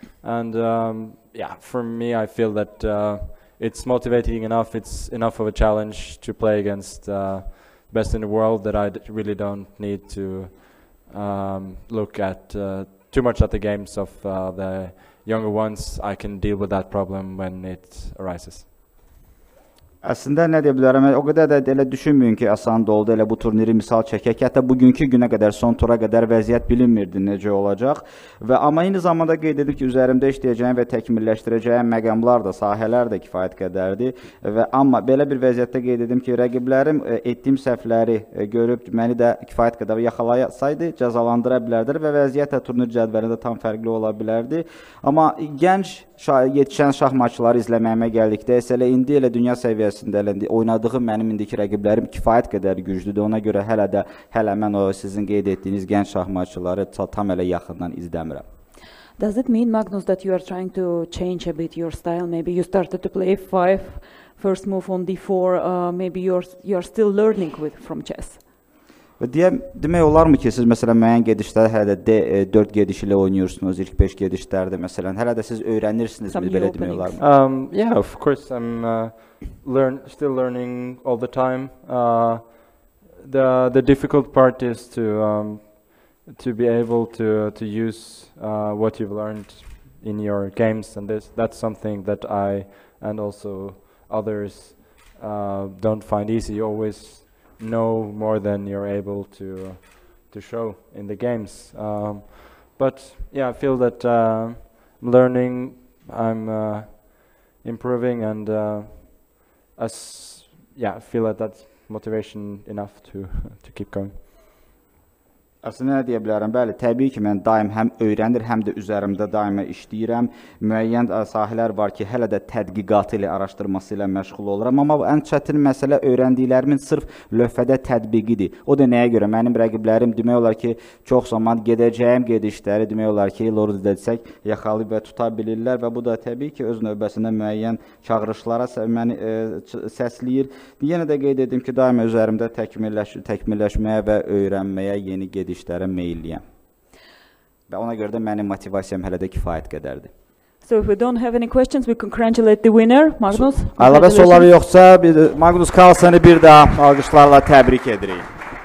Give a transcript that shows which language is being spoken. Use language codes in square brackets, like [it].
[en] For me, I feel that it's motivating enough. It's enough of a challenge to play against the best in the world that I really don't need to look at too much at the games of the younger ones. I can deal with that problem when it arises. [az] Əslində nə deyə bilərəm, o qədər də elə düşünməyin ki, asan da oldu, elə bu turniri misal çəkək, hətta bugünkü günə qədər, son tura qədər vəziyyət bilinmirdi necə olacaq. Və amma eyni zamanda qeyd edib ki, üzərimdə işləyəcəyim və təkmilləşdirəcəyim məqamlar da, sahələr də kifayət qədərdi. Və amma belə bir vəziyyətdə qeyd edim ki, rəqiblərim etdiyim səhvləri görüb məni də kifayət qədər yaxalayasaydı, cəzalandıra bilərdi və vəziyyət də turnir cədvəlində tam fərqli ola bilərdi. Amma gənc yetişən şahmatçıları izləməyəmə gəldikdə isə elə indi elə dünya səviyyəsində oynadığım mənim indiki rəqiblərim kifayət qədər güclüdür. Ona görə hələ mən o sizin qeyd etdiyiniz gənc şahmatçıları tam elə yaxından izləmirəm. [en] Does it mean, Magnus, that you are trying to change a bit your style? Maybe you started to play F5, first move on D4, maybe you're still learning from chess? [az] Demək olarmı ki, siz məsələn müəyyən gedişlərdə hələ də 4 gediş ilə oynayırsınız, ilk 5 gedişlərdə məsələn, hələ də siz öyrənirsiniz, belə demək olarmı? [en] Yeah, of course, I'm still learning all the time. The difficult part is to be able to use what you've learned in your games, and that's something that I and also others don't find easy. You always know more than you're able to show in the games. I feel that learning, I'm improving, and I feel that that's motivation enough to keep going. [az] Əslində, nə deyə bilərəm? Bəli, təbii ki, mən daim həm öyrənir, həm də üzərimdə daimə işləyirəm. Müəyyən sahələr var ki, hələ də tədqiqatı ilə, araşdırması ilə məşğul oluram. Amma bu ən çətin məsələ öyrəndiklərimin sırf lövhədə tətbiqidir. O da nəyə görə? Mənim rəqiblərim demək olar ki, çox zaman gedəcəyim gedişləri, demək olar ki, Lord desək, yaxalı və tuta bilirlər. Və bu da təbii ki, öz növbəsində müəyyən çağırışlara məni səsləyir. Yenə də qeyd edim ki, daim üzərimdə təkmilləşməyə və öyrənməyə yeni gedişlərə meylliyəm. Və ona görə də mənim motivasiyam hələ də kifayət qədərdir. [en] So if we don't have any questions, we congratulate the winner, Magnus. [az] Əlavə soruları yoxsa Magnus Carlsen'i bir daha alqışlarla təbrik edirik.